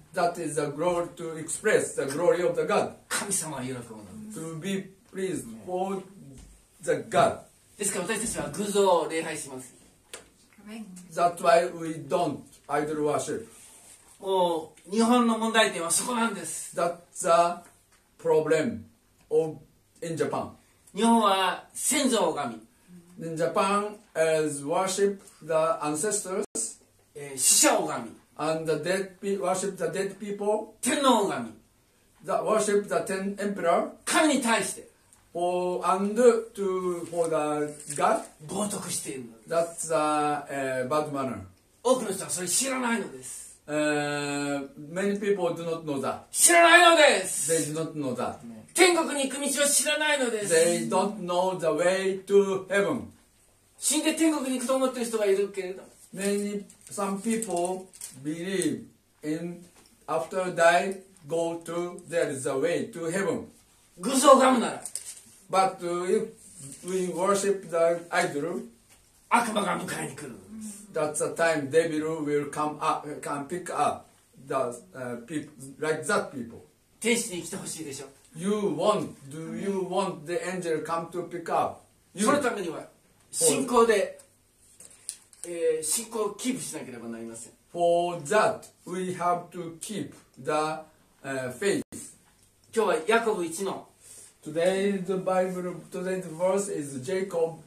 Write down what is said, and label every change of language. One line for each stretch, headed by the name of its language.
English: That is the glory to express the glory of the God.
Japanese: 神様は喜ぶのです。
English: To be pleased for the God.
Japanese: ですから私たちは偶像を礼拝します。
English: That's why we don't idol worship.
Japanese: もう日本の問題点はそこなんです。
English: That's the problem of in Japan.
Japanese: 日本は先祖を拝み。
English: In Japan, as worship the ancestors.
Japanese: 死者を拝み。
English: And the dead worship the dead people.
Japanese: 天皇を拝み。
English: The worship the ten emperor.
Japanese: 神に対して。
English: For and to for the God.
Japanese: 冒涜しているのです。
English: That's a bad manner.
Japanese: 多くの人はそれ知らないのです。
English: Many people do not know that.
Japanese: 知らないのです。
English: They do not know that.
Japanese: 天国に行く道を知らないのです。
English: They don't know the way to heaven.
Japanese: 死んで天国に行くと思っている人がいるけれど。
English: Some people believe in after die go to there is a way to heaven.
Japanese: 偶像を拝むなら。
English: But if we worship the idol,
Japanese: 悪魔が迎えに来るのです。
English: That's the time devil will come up, can pick up the people like that people.
Japanese: 天使に来てほしいでしょ。
English: Do you want the angel come to pick up? You?
Japanese: そのためには信仰で。信仰をキープしなければなりません。
English: For that, we have to keep the faith.
Japanese: 今日はヤコブ1の。
English: Today the Bible, today the verse is Jacob